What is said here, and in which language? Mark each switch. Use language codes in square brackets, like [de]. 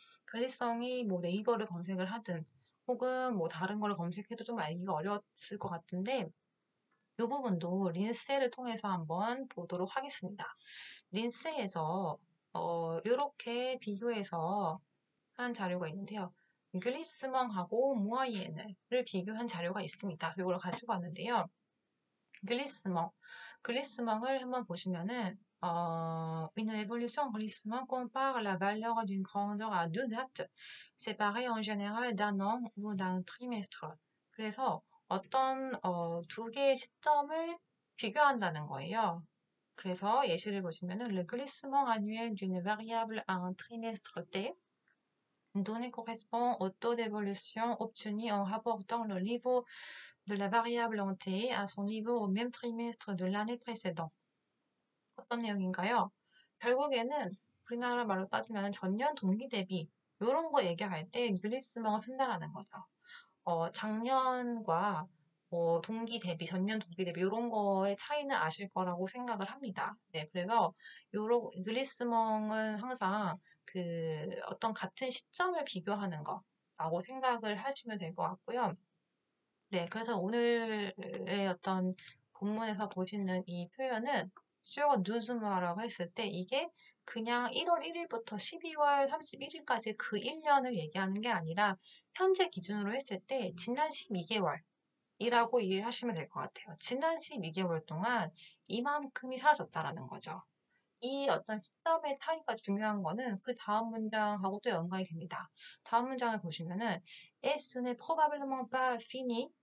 [ko] 글리성이 뭐 네이버를 검색을 하든 혹은 뭐 다른 걸 검색해도 좀 알기가 어려웠을 것 같은데 이 부분도 린세를 통해서 한번 보도록 하겠습니다. 린세에서 이렇게 비교해서 한 자료가 있는데요. 글리스멍하고 무아이엔을 비교한 자료가 있습니다. 그래서 이걸 가지고 왔는데요. 글리스멍을 한번 보시면은 [fr] Une révolution en glissement compare la valeur d'une grandeur à deux dates, séparées en général d'un an ou d'un trimestre. [ko] 그래서 어떤 두 개의 시점을 비교한다는 거예요. 그래서 예시를 보시면은 [fr] le glissement annuel d'une variable à un trimestre T donné correspond au taux d'évolution obtenu en rapportant le niveau de la variable en T à son niveau au même trimestre de l'année précédente. [ko] 어떤 내용인가요? 결국에는 우리나라 말로 따지면 전년 동기 대비 이런 거 얘기할 때 글리스멍을 쓴다라는 거죠. 작년과 동기 대비, 전년 동기 대비 이런 거의 차이는 아실 거라고 생각을 합니다. 네, 그래서 요런 글리스멍은 항상 그 어떤 같은 시점을 비교하는 거라고 생각을 하시면 될것 같고요. 네, 그래서 오늘의 어떤 본문에서 보시는 이 표현은 쇼두즈마라고 했을 때 이게 그냥 1월 1일부터 12월 31일까지 그 1년을 얘기하는 게 아니라 현재 기준으로 했을 때 지난 12개월이라고 이해를 하시면 될것 같아요. 지난 12개월 동안 이만큼이 사라졌다라는 거죠. 이 어떤 시점의 차이가 중요한 거는 그 다음 문장하고도 연관이 됩니다. 다음 문장을 보시면은 [fr] Est-ce n'est probablement pas fini?